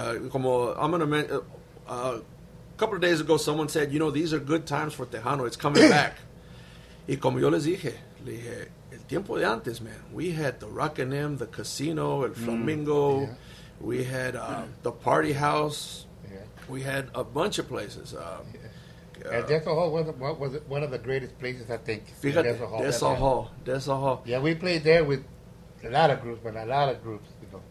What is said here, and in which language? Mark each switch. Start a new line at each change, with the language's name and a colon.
Spanish: Como
English: I'm gonna mention, a couple of days ago, someone said, you know, these are good times for Tejano. It's coming back.
Spanish: Y como yo les dije, le dije, el tiempo de antes, man.
English: We had the Rockin' M, the Casino, el Flamingo. Mm, yeah. We had the Party House. Yeah. We had a bunch of places. Dessau Hall was one of the greatest places, I think. Dessau Hall. Yeah, we played there with a lot of groups, you know.